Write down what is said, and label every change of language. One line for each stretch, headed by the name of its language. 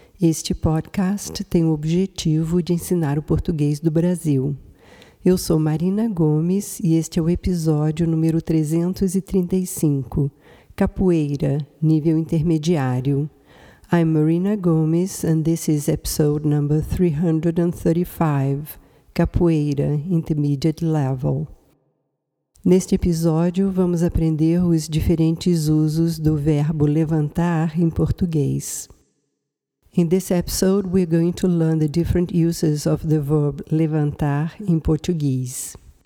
Portuguese: Este podcast tem o objetivo de ensinar o português do Brasil. Eu sou Marina Gomes e este é o episódio número 335, Capoeira, nível intermediário.
English: I'm Marina Gomes and this is episode number 335, Capoeira, intermediate level.
Portuguese: Neste episódio, vamos aprender os diferentes usos do verbo levantar em português.
English: In this episode, we're going to learn the different uses of the verb levantar in Portuguese.